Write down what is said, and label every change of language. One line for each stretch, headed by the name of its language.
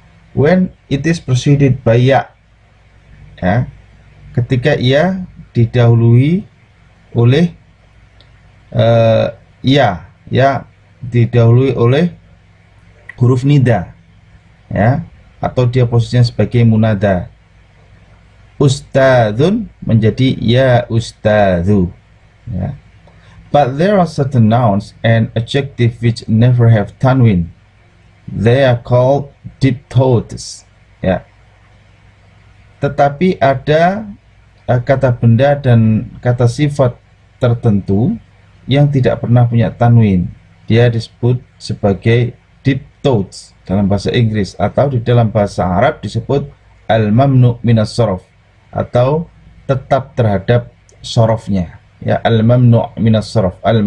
English: When it is preceded by
Indonesian: ya, ya, ketika ia didahului oleh ya didahului oleh huruf nida, ya, atau dia posisinya sebagai munada, ustadun menjadi ya ustadu, ya.
English: But there are certain nouns and adjectives which never have tanwin. They are called diphthongs, ya.
Indonesian: Tetapi ada kata benda dan kata sifat tertentu yang tidak pernah punya tanwin. Dia disebut sebagai diphthongs dalam bahasa Inggris, atau di dalam bahasa Arab disebut al-mamnu minas sorof, atau tetap terhadap sorofnya, ya, al-mamnu minas sorof.